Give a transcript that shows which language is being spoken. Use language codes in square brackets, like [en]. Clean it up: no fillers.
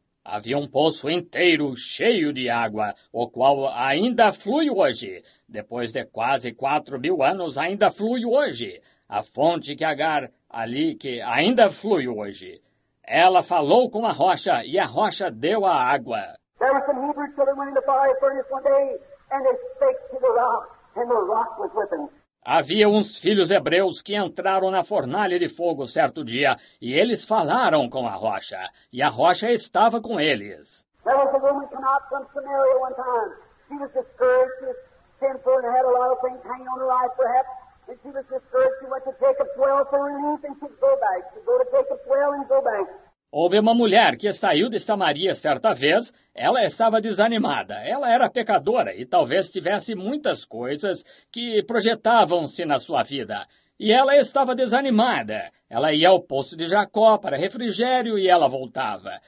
[pt] Havia um poço inteiro cheio de água, o qual ainda flui hoje. Depois de quase 4.000 anos, ainda flui hoje. A fonte que Agar ali, que ainda flui hoje. Ela falou com a rocha e a rocha deu a água. [en] There were some Hebrew children went in the fire furnace one day, and they spake to the rock, and the rock was with them. [pt] Havia uns filhos hebreus que entraram na fornalha de fogo certo dia, e eles falaram com a rocha, e a rocha estava com eles. [en] There was a woman come out from Samaria one time. She was discouraged, she was sinful, and had a lot of things hanging on her life, perhaps. And she was discouraged, she went to Jacob's well for relief, and she'd go back. She'd go to Jacob's well and go back. [pt] Houve uma mulher que saiu de Samaria certa vez, ela estava desanimada, ela era pecadora e talvez tivesse muitas coisas que projetavam-se na sua vida. E ela estava desanimada, ela ia ao poço de Jacó para refrigério e ela voltava.